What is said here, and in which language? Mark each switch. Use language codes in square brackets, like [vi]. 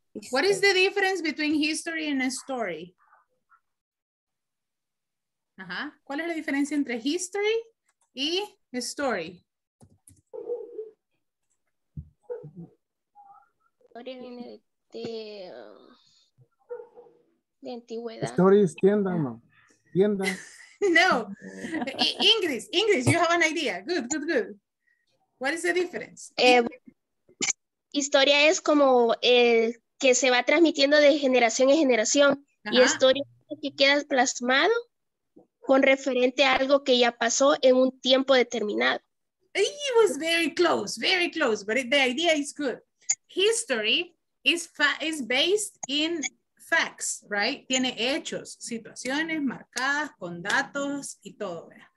[en] What is the difference between history and a story? [es] ¿Cuál es la diferencia entre history y a story? Story viene de antigüedad. [en] Story is tienda, no. Tienda. No. English, you have an idea. Good. What is the difference? [es] Historia es como que se va transmitiendo de generación en generación. Uh-huh. Y historia es que queda plasmado con referente a algo que ya pasó en un tiempo determinado. [en] It was very close, but the idea is good. History is based in facts, right? [es] Tiene hechos, situaciones marcadas con datos y todo.